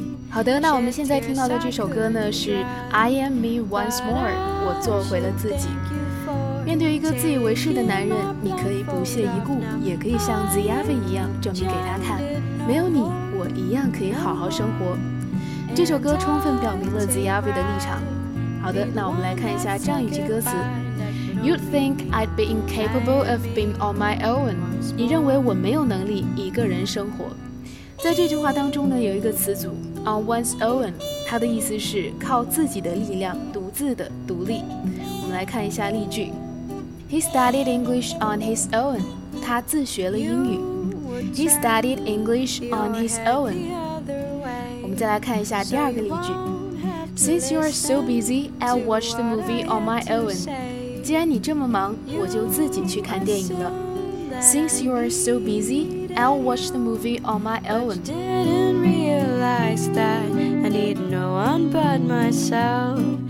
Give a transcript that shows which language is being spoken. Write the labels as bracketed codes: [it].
[zh] 好的，那我们现在听到的这首歌呢是 [en] I am me once more， [zh] 我做回了自己。面对一个自以为是的男人，你可以不屑一顾，也可以像 Ziavi 一样证明给他看，没有你我一样可以好好生活。这首歌充分表明了 Ziavi 的立场。好的，那我们来看一下这样一句歌词。 [en] You'd think I'd be incapable of being on my own. [zh] 你认为我没有能力一个人生活。在这句话当中呢，有一个词组 [en] on one's own， [zh] 它的意思是靠自己的力量，独自的，独立。我们来看一下例句。 [en] He studied English on his own. [zh] 他自学了英语。 [en] He studied English on his own. [zh] 我们再来看一下第二个例句。 [en] Since you're so busy, I'll watch the movie on my own. [zh] 既然你这么忙，我就自己去看电影了。 [en] Since you are so busy, I'll watch the movie on my own. Didn't realize that I need no one but myself.